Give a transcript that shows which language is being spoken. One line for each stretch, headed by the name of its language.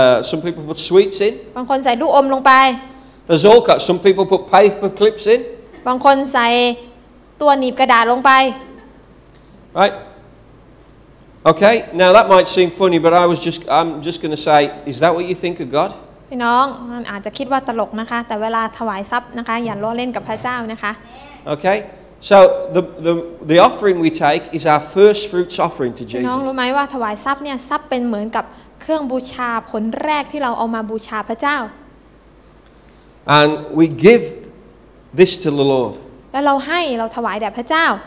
English: Some people put sweets in
Thai: บางคนใส่ลูกอมลงไป
English: There's all got some people put paper clips in
Thai: บางคนใส่ตัวหนีบกระดาษลงไป
English: RightOkay, now that might seem funny, but I'm just going to say, is that what you think of God?
Thai: พี่น้องอาจจะคิดว่าตลกนะคะแต่เวลาถวายทรัพย์นะคะอย่าล้อเล่นกับพระเจ้านะคะ
English: Okay, so the offering we take is our first fruits offering to Jesus.
Thai: พี่น้องรู้ไหมว่าถวายทรัพย์เนี่ยทรัพย์เป็นเหมือนกับเครื่องบูชาผลแรกที่เราเอามาบูชาพระเจ้า
English: And we give this to the Lord.
Thai: แล้วเราให้เราถวายแด่พระเจ้า